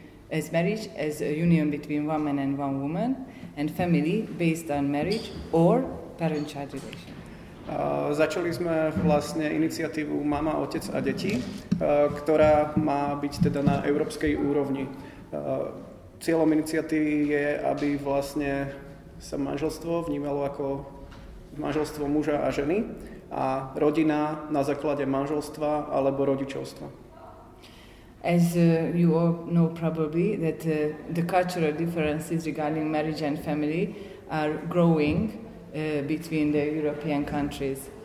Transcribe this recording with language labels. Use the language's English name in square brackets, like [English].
[English] As marriage as a union between one man and one woman and family based on marriage or parent-child relation. [Slovak] Začali sme vlastne iniciatívu Mama, Otec a Deti, ktorá má byť teda na európskej úrovni. Cieľom iniciatívy je, aby vlastne sa manželstvo vnímalo ako manželstvo muža a ženy a rodina na základe manželstva alebo rodičovstva. [English] As you all know probably that the cultural differences regarding marriage and family are growing between the European countries.